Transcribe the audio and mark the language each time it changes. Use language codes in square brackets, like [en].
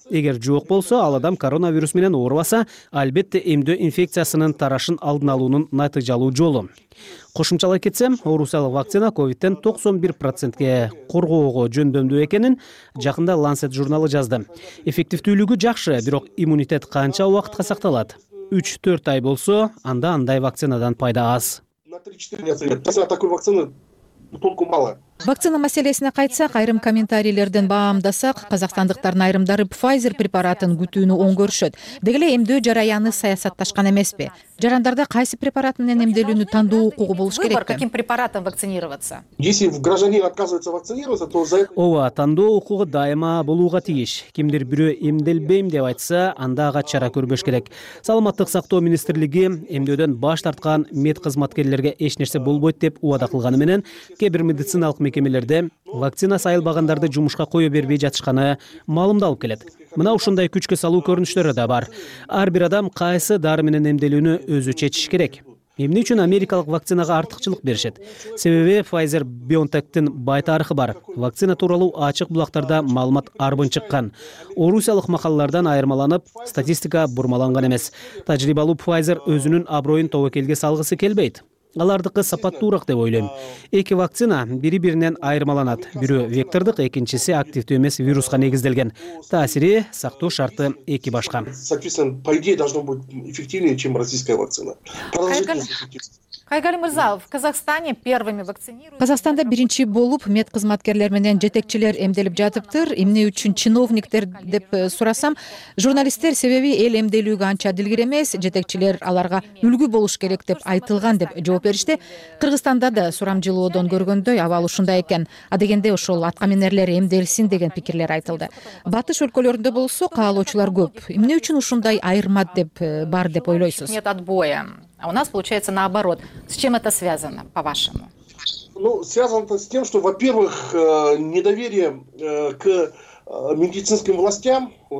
[ky] Эгер жок болсо, ал адам коронавирус менен оорубаса, албетте эмдөө инфекциясынын тарашын алдын алуунун натыйжалуу жолу. Кошумчалай кетсем, орусиялык вакцина ковидден 91%ге коргоого жөндөмдүү экенин жакында Lancet журналы жазды. Эффективдүүлүгү жакшы, бирок иммунитет канча убакытка сакталат? 3-4 ай болсо, анда андай вакцинадан пайда аз. [ru] На 3-4 месяца такой вакцины толку мало. [ky] Вакцина маселесине кайтсак, айрым комментарийлерден баамдасак, казакстандыктардын айрымдары Pfizer препаратын күтүүнү оңгөрүшөт. Деги эле эмдөө жараяны саясатташкан эмеспи? Жарандарда кайсы препарат менен эмделүүнү тандоо укугу болуш керек? [ru] Выбор, каким препаратом вакцинироваться? Если гражданин отказывается вакцинироваться, то за это... [ky] Ова, тандоо укугу дайыма болууга тийиш. Кимдир бирөө эмделбейм деп айтса, анда ага чара көрбөш керек. Саламаттык сактоо министрлиги эмдөөдөн баш тарткан медкызматкерлерге эч нерсе болбойт деп убада кылганы менен, кээ бир медицина мекемелерде вакцина сайылбагандарды жумушка кое бербей жатышканы маалымдалып келет. Мына ушундай күчкө салуу көрүнүштөрү да бар. Ар бир адам кайсы дары менен эмделүүнү өзү чечиш керек. Эмне үчүн америкалык вакцинага артыкчылык беришет? Себеби Pfizer BioNTech'тин бай тарыхы бар. Вакцина тууралуу ачык булактарда маалымат арбын чыккан. Орусиялык макалалардан айырмаланып, статистика бурмаланган эмес. Тажрыйбалуу Pfizer өзүнүн аброюн тобокелге салгысы келбейт. Алардыкы сапаттуураак деп ойлойм. Эки вакцина бири-биринен айырмаланат. Бирөө вектордук, экинчиси активдүү эмес вируска негизделген. Таасири, сактоо шарты эки башка. [ru] Соответственно, по идее должно быть эффективнее, чем российская вакцина. Кайгали Мырзаев, Казахстане первыми вакцинируют. [ky] Казахстанда биринчи болуп медкызматкерлер менен жетекчилер эмделип жатыптыр. Эмне үчүн чиновниктер деп сурасам, журналисттер себеби эл эмделүүгө анча дилгир эмес, жетекчилер аларга үлгү болуш керек деп айтылган деп жооп беришти. Кыргызстанда да сурам жылоодон көргөндөй абал ушундай экен. А дегенде ошол аткаминерлер эмделсин деген пикирлер айтылды. Батыш өлкөлөрүндө болсо каалоочулар көп. Эмне үчүн ушундай айырма деп бар деп ойлойсуз? [ru] Нет отбоя. А у нас получается наоборот. С чем это связано, по-вашему? Ну, связано это с тем, что, во-первых, недоверие к медицинским властям.